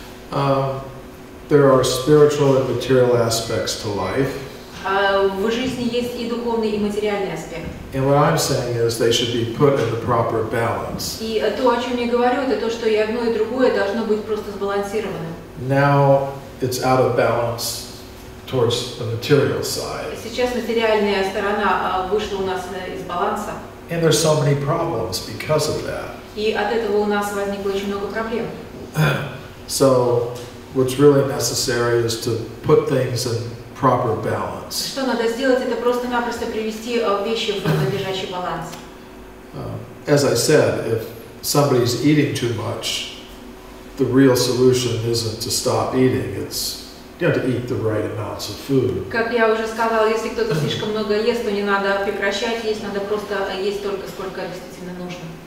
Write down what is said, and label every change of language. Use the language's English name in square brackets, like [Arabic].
[English] There are spiritual and material aspects to life. [Russian] В жизни есть и духовный, и материальный аспект. [English] And what I'm saying is they should be put in the proper balance. [Russian] И то, о чем я говорю, это то, что и одно, и другое должно быть просто сбалансировано. [English] Now it's out of balance towards the material side. [Russian] Сейчас материальная сторона вышла у нас из баланса. [English] And there's so many problems because of that. [Russian] И от этого у нас возникло очень много проблем. [English] So what's really necessary is to put things in proper balance. [Russian] Что надо сделать, это просто-напросто привести вещи в надлежащий баланс. [English] As I said, if somebody's eating too much, the real solution isn't to stop eating, it's you have to eat the right amounts of food. [Russian] Как я уже сказал, если кто-то слишком много ест, то не надо прекращать есть, надо просто есть только сколько действительно нужно.